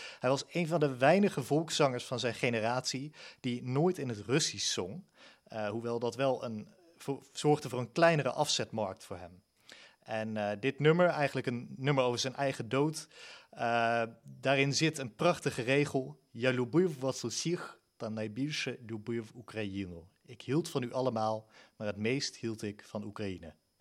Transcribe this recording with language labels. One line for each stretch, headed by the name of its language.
Dutch: Hij was een van de weinige volkszangers van zijn generatie die nooit in het Russisch zong. Hoewel dat wel zorgde voor een kleinere afzetmarkt voor hem. En dit nummer, eigenlijk een nummer over zijn eigen dood, daarin zit een prachtige regel.
Ukrainian: Я любив вас усіх, та найбільше любив Україну.
Dutch: Ik hield van u allemaal, maar het meest hield ik van Oekraïne.